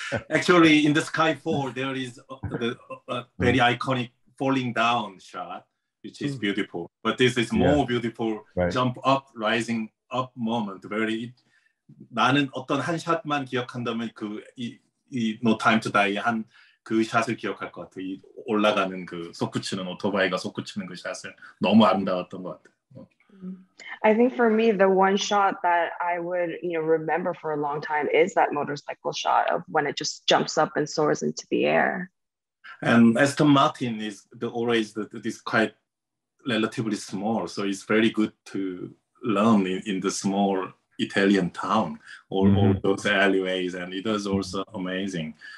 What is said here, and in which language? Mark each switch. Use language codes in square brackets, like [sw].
[en] Actually, in the Skyfall, there is a very iconic falling down shot, which is beautiful. But this is more beautiful, right. Jump up, rising up moment. Very. [ko] 나는 어떤 한 샷만 기억한다면 그 이 No Time to Die 한 그 샷을 기억할 것 같아. 이 올라가는 그 솟구치는 오토바이가 솟구치는 그 샷을 너무 아름다웠던 것 같아. [en] I think for me, the one shot that I would, you know, remember for a long time is that motorcycle shot of when it just jumps up and soars into the air. And Aston Martin is always quite relatively small, so it's very good to learn in the small Italian town, all those alleyways, and it was also amazing.